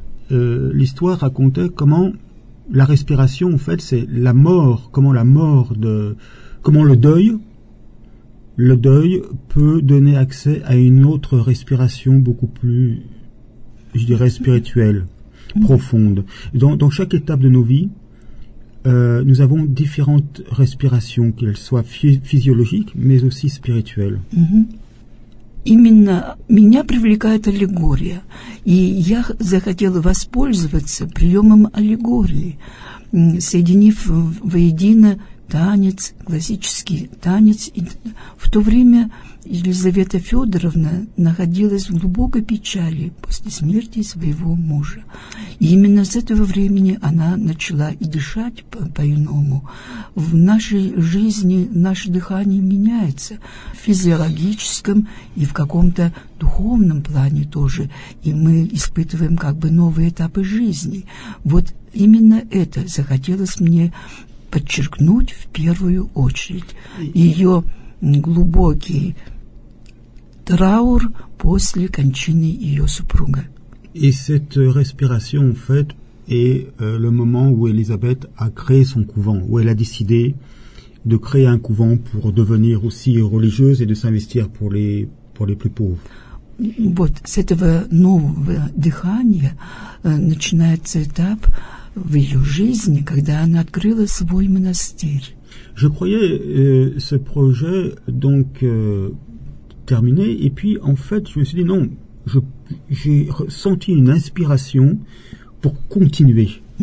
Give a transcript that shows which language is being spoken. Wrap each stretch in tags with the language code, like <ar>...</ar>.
<fr>L'histoire racontait comment la respiration, en fait, c'est la mort, comment le deuil peut donner accès à une autre respiration beaucoup plus, je dirais, spirituelle, profonde. Dans chaque étape de nos vies, nous avons différentes respirations, qu'elles soient physiologiques, mais aussi spirituelles.</fr> <ru>Именно меня привлекает аллегория, и я захотел воспользоваться приемом аллегории, соединив воедино танец, классический танец. И в то время Елизавета Федоровна находилась в глубокой печали после смерти своего мужа. И именно с этого времени она начала и дышать по-иному. В нашей жизни наше дыхание меняется в физиологическом и в каком-то духовном плане тоже. И мы испытываем как бы новые этапы жизни. Вот именно это захотелось мне подчеркнуть в первую очередь. Ее глубокий траур после кончины ее супруга. И</ru> <fr>cette respiration, en fait, est le moment où Elisabeth a créé son couvent, où elle a décidé de créer un couvent pour devenir aussi religieuse et de s'investir pour les plus pauvres.</fr> <ru>Вот с этого нового дыхания начинается этап в ее жизни, когда она открыла свой монастырь.</ru> <fr>Je croyais ce projet donc terminé, et puis en fait je me suis dit non, j'ai ressenti une inspiration pour continuer.</fr>